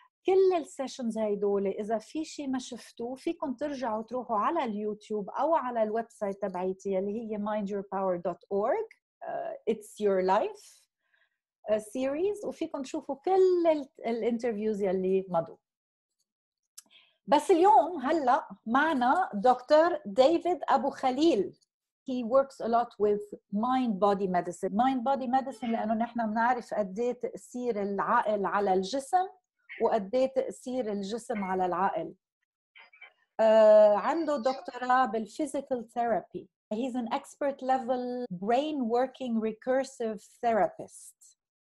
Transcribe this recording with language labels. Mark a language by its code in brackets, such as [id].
[ar] كل السيشنز هيدول إذا في شيء ما شفتوه فيكن ترجعوا تروحوا على اليوتيوب أو على الويب سايت تبعيتي اللي هي mindyourpower.org It's Your Life series, وفيكن تشوفوا كل الانترفيوز يلي مضوا. بس اليوم هلأ معنا دكتور دافيد أبو خليل. [en] He works a lot with mind-body medicine. [ar] Mind-body medicine لأنه نحن بنعرف قديه تأثير العقل على الجسم وقديه تأثير الجسم على العقل. عنده دكتوراه بالphysical therapy. [en] He's an expert level brain working recursive therapist.